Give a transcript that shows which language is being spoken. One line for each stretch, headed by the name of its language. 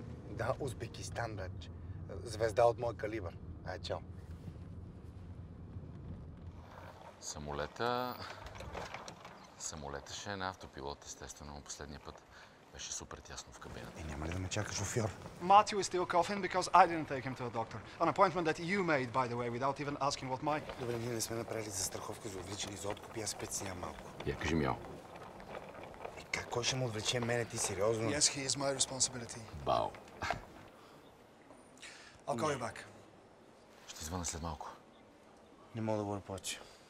Bulgarian: Да, Узбекистан, брат. Звезда от моя калибър. Ай, чао. Самолета ще е на автопилот, естествено, но последния път беше супер тясно в кабината. И няма ли да ме чака шофьор?
English: Matthew is still coughing because I didn't take him to the doctor. An appointment that you made, by the way, without even asking what my...
Bulgarian: Добре, ние не сме направили за страховка, за отвличане и за откуп, аз спеценя малко. Я кажи мяо. И как, кой ще му отвлече мене, ти сериозно?
English: Yes, he is my responsibility. Бао. I'll call you back.
Bulgarian: Ще звъна след малко. Не мога да говоря повече.